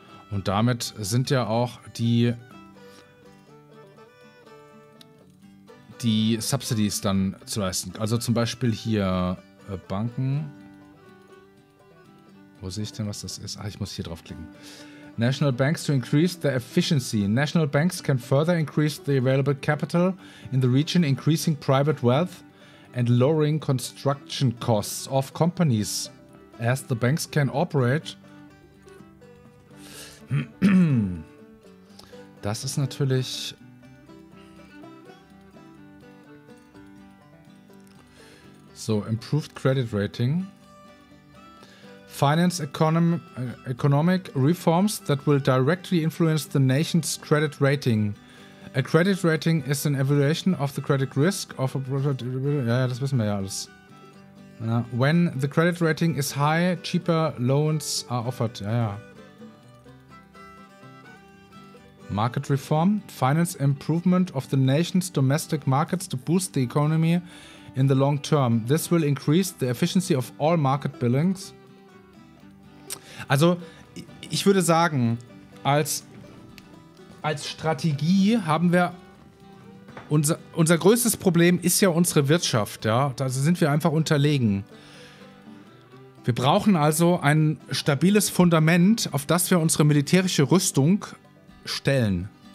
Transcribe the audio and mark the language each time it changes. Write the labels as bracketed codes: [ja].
[de] Und damit sind ja auch die Subsidies dann zu leisten. Also zum Beispiel hier Banken. Wo sehe ich denn, was das ist? Ah, ich muss hier draufklicken. [en] National banks to increase the efficiency. National banks can further increase the available capital in the region, increasing private wealth and lowering construction costs of companies, as the banks can operate. [de] Das ist natürlich... [en] So, improved credit rating. Finance economic reforms that will directly influence the nation's credit rating. A credit rating is an evaluation of the credit risk of a... [de] Ja, das wissen wir ja alles. Ja. [en] When the credit rating is high, cheaper loans are offered. Ja. Market reform. Finance improvement of the nation's domestic markets to boost the economy in the long term. This will increase the efficiency of all market billings. [de] Also, ich würde sagen, als Strategie haben wir unser größtes Problem ist ja unsere Wirtschaft, ja. Da sind wir einfach unterlegen. Wir brauchen also ein stabiles Fundament, auf das wir unsere militärische Rüstung stellen.